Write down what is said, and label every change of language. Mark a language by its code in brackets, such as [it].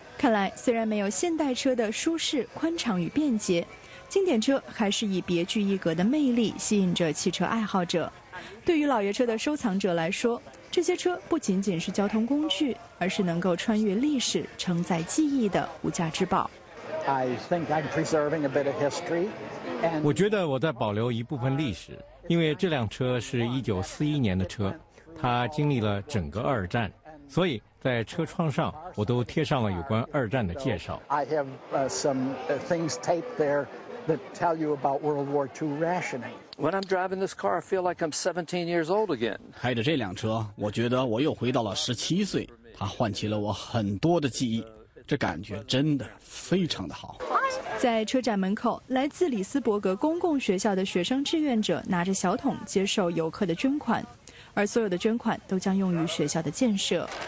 [zh] 看来虽然没有现代车的舒适、宽敞与便捷，经典车还是以别具一格的魅力吸引着汽车爱好者。对于老爷车的收藏者来说，这些车不仅仅是交通工具，而是能够穿越历史、承载记忆的无价之宝。 [en] I think I'm preserving a bit of history. [zh] 我觉得我在保留一部分历史，因为这辆车是1941年的车，它经历了整个二战，所以在车窗上我都贴上了有关二战的介绍。 [en] I have some things taped there that tell you about World War II rationing. When I'm driving this car, I feel like I'm 17 years old again. [zh] 开着这辆车，我觉得我又回到了17岁，它唤起了我很多的记忆，这感觉真的非常的好。在车展门口，来自里斯伯格公共学校的学生志愿者拿着小桶接受游客的捐款，而所有的捐款都将用于学校的建设。